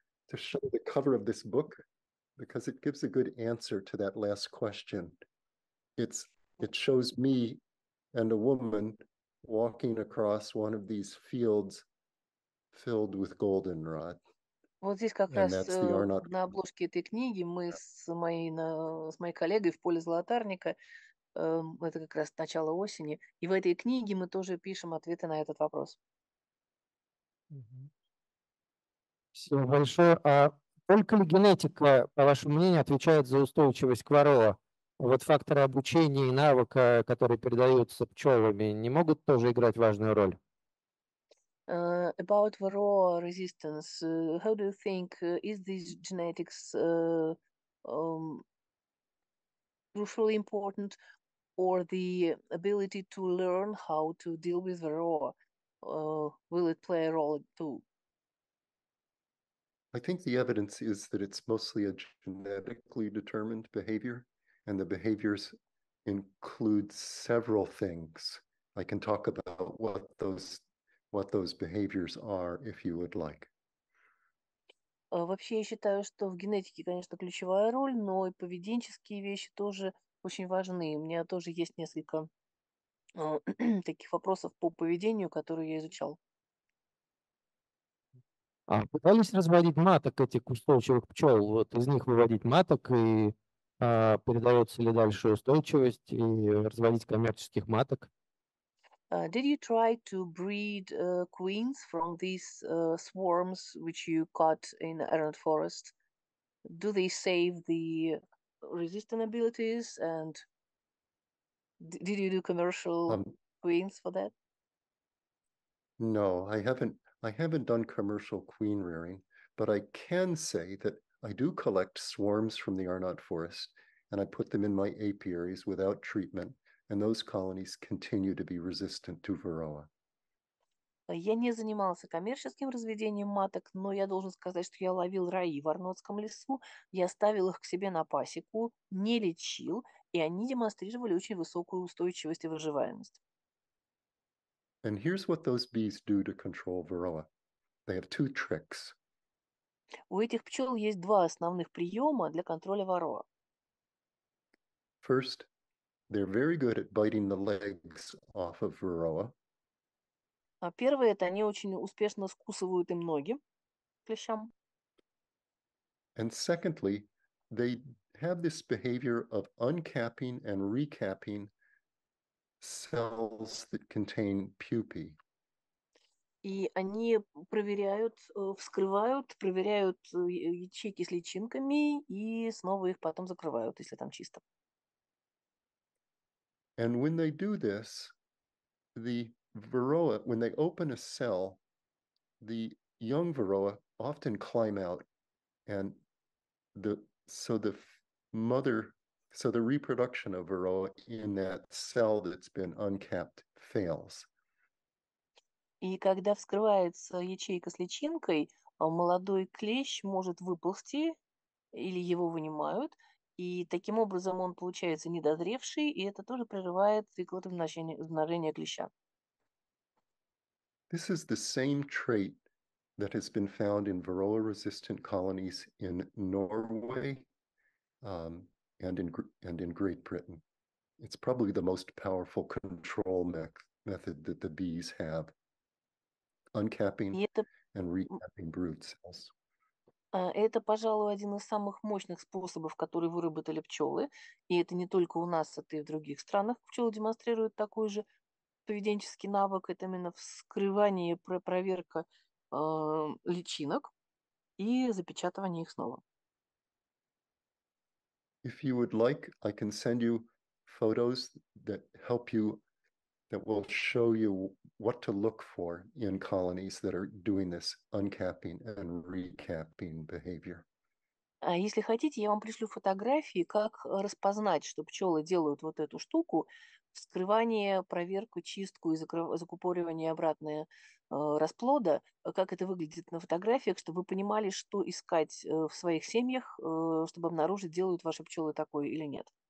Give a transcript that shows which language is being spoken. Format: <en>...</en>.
<en>To show the cover of this book, because it gives a good answer to that last question. It shows me and a woman walking across one of these fields filled with goldenrod.</en> <ru>Вот здесь как раз на обложке этой книги мы с моей коллегой в поле золотарника. Это как раз начало осени. И в этой книге мы тоже пишем ответы на этот вопрос. Все большое. А только ли генетика, по вашему мнению, отвечает за устойчивость к варроа? Вот факторы обучения и навыка, которые передаются пчелами, не могут тоже играть важную роль?</ru> <en>About varroa resistance, how do you think is this genetics crucially important, or the ability to learn how to deal with varroa, will it play a role too? I think the evidence is that it's mostly a genetically determined behavior, and the behaviors include several things. I can talk about what those behaviors are if you would like.</en> <ru>Вообще я считаю, что в генетике, конечно, ключевая роль, но и поведенческие вещи тоже очень важны. У меня тоже есть несколько таких вопросов по поведению, которые я изучал. А пытались разводить маток этих устойчивых пчел, вот из них выводить маток, и передается ли дальше устойчивость, и разводить коммерческих маток?</ru> <en>Did you try to breed queens from these swarms which you caught in Arnold Forest? Do they save the resistant abilities, and did you do commercial queens for that? No, I haven't done commercial queen rearing, but I can say that I do collect swarms from the Arnott Forest, and I put them in my apiaries without treatment, and those colonies continue to be resistant to varroa.</en> <ru>Я не занимался коммерческим разведением маток, но я должен сказать, что я ловил раи в Арнотском лесу, я ставил их к себе на пасеку, не лечил, и они демонстрировали очень высокую устойчивость и выживаемость.</ru> <en>And here's what those bees do to control varroa. They have two tricks.</en> <ru>У этих пчел есть два основных приема для контроля варроа.</ru> <en>First, they're very good at biting the legs off of varroa.</en> <ru>А первое, это они очень успешно скусывают им ноги клещам.</ru> <en>And secondly, they have this behavior of uncapping and recapping cells that contain pupae.</en> <ru>И они проверяют ячейки с личинками и снова их потом закрывают, если там чисто.</ru> <en>And when they do this, the varroa, when they open a cell, the young varroa often climb out, and so the reproduction of varroa in that cell that's been uncapped fails.</en> <ru>И когда вскрывается ячейка с личинкой, молодой клещ может выползти, или его вынимают, и таким образом он получается недозревший, и это тоже прерывает цикл размножения клеща.</ru> <en>This is the same trait that has been found in varroa-resistant colonies in Norway and in Great Britain. It's probably the most powerful control method that the bees have, uncapping and recapping brood cells.</en> <ru>Это, пожалуй, один из самых мощных способов, который выработали пчелы. И это не только у нас, это и в других странах. Пчелы демонстрируют такой же поведенческий навык. Это именно вскрывание, проверка личинок и запечатывание их снова.</ru> <en>If you would like, I can send you photos that help you, that will show you what to look for in colonies that are doing this uncapping and recapping behavior.</en> <ru>Если хотите, я вам пришлю фотографии, как распознать, что пчелы делают вот эту штуку, вскрывание, проверку, чистку и закупоривание обратное расплода, как это выглядит на фотографиях, чтобы вы понимали, что искать в своих семьях, чтобы обнаружить, делают ваши пчелы такое или нет.</ru>